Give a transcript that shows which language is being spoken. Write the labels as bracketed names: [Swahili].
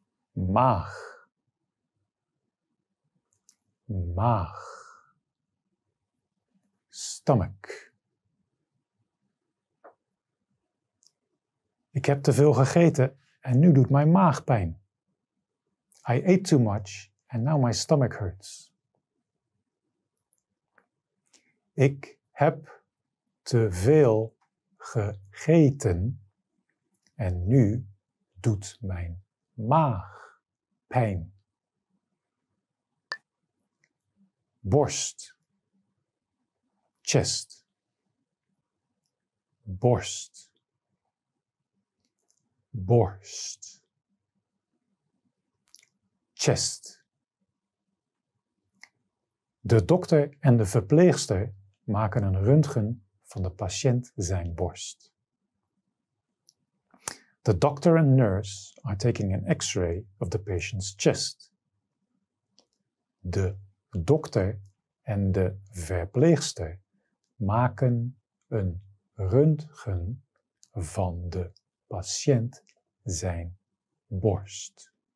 [Dutch] Maag. Maag. [English] stomach. [Dutch] Ik heb te veel gegeten en nu doet mijn maag pijn. [English] I ate too much and now my stomach hurts. [Dutch] Ik heb te veel gegeten en nu doet mijn maag pijn. Borst. [English] Chest. [Dutch] Borst. Borst. [English] Chest. [Dutch] De dokter en de verpleegster maken een röntgen van de patiënt zijn borst. [English] The doctor and nurse are taking an x-ray of the patient's chest. [Dutch] De dokter en de verpleegster maken een röntgen van de patiënt zijn borst.